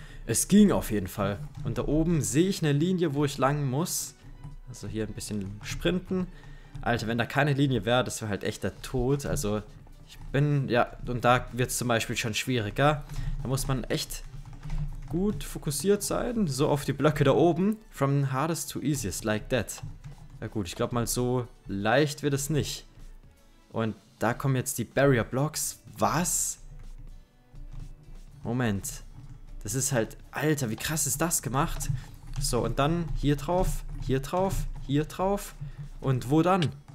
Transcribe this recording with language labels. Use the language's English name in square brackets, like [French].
[German] Es ging auf jeden Fall. Und da oben sehe ich eine Linie, wo ich lang muss. Also hier ein bisschen sprinten. Alter, wenn da keine Linie wäre, das wäre halt echt der Tod, also... und da wird es zum Beispiel schon schwieriger. Da muss man echt gut fokussiert sein. So auf die Blöcke da oben. [English] From hardest to easiest, like that. [German] Ja gut, ich glaube mal so leicht wird es nicht. Und da kommen jetzt die Barrier Blocks. Was? Moment. Das ist halt... Alter, wie krass ist das gemacht? So, und dann hier drauf, hier drauf, hier drauf. Und wo dann?